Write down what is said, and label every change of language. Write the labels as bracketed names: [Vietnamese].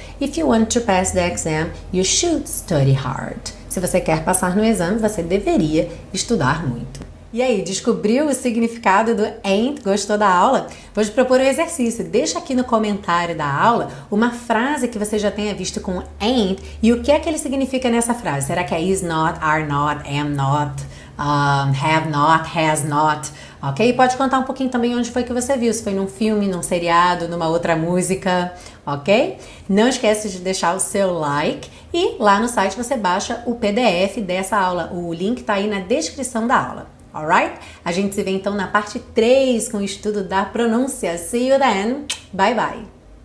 [English] If you want to pass the exam, you should study hard. [Portuguese] Se você quer passar no exame, você deveria estudar muito. E aí, descobriu o significado do ain't? Gostou da aula? Vou te propor um exercício. Deixa aqui no comentário da aula uma frase que você já tenha visto com ain't e o que é que ele significa nessa frase. Será que é is not, are not, am not, have not, has not? Ok? Pode contar um pouquinho também onde foi que você viu. Se foi num filme, num seriado, numa outra música, ok? Não esquece de deixar o seu like e lá no site você baixa o PDF dessa aula. O link tá aí na descrição da aula. [English] Alright? [Portuguese] A gente se vê então na parte 3 com o estudo da pronúncia. [English] See you then. Bye bye.